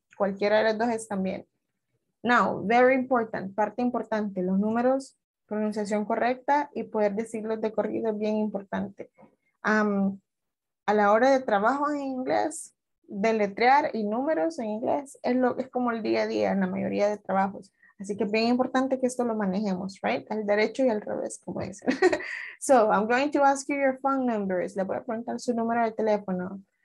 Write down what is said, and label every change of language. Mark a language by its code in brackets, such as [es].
[es] Cualquiera de las dos es también. [en] Now, very important, [es] parte importante, los números, pronunciación correcta y poder decirlos de corrido es bien importante. A la hora de trabajo en inglés, deletrear y números en inglés es como el día a día en la mayoría de trabajos. Así que es bien importante que esto lo manejemos, [en] right? [es] Al derecho y al revés, como dicen. [en] So, I'm going to ask you your phone numbers. [es] Le voy a preguntar su número de teléfono.